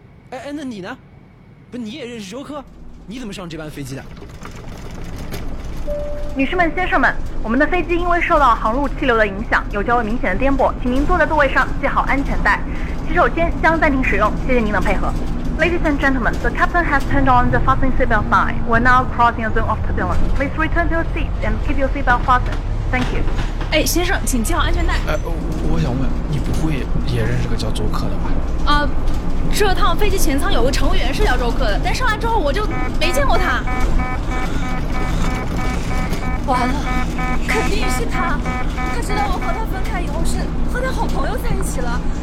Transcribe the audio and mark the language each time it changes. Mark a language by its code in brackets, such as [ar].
[zh] 哎，那你呢？不，你也认识周克？你怎么上这班飞机的？女士们、先生们，我们的飞机因为受到航路气流的影响，有较为明显的颠簸，请您坐在座位上系好安全带。洗手间将暂停使用，谢谢您的配合。 [en] Ladies and gentlemen, the captain has turned on the fasten seatbelt sign. We're now crossing the zone of turbulence. Please return to your seats and keep your seatbelt fastened. Thank you. [zh] 哎，先生，请系好安全带。我想问，你不会也认识个叫周克的吧？这趟飞机前舱有个乘务员是叫周克的，但上来之后我就没见过他。完了，肯定是他。他知道我和他分开以后是和他好朋友在一起了。